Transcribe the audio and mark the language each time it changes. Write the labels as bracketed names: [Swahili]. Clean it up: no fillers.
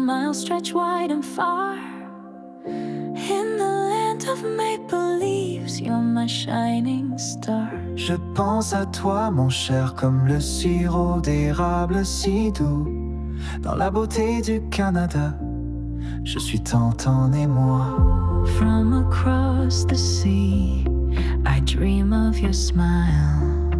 [English] now stretch wide and far. In the land of maple leaves, you're my shining star. [French] Je pense à toi, mon cher, comme le sirop d'érable si doux. Dans la beauté du Canada, je suis tant en émoi. [English] From across the sea, I dream of your smile.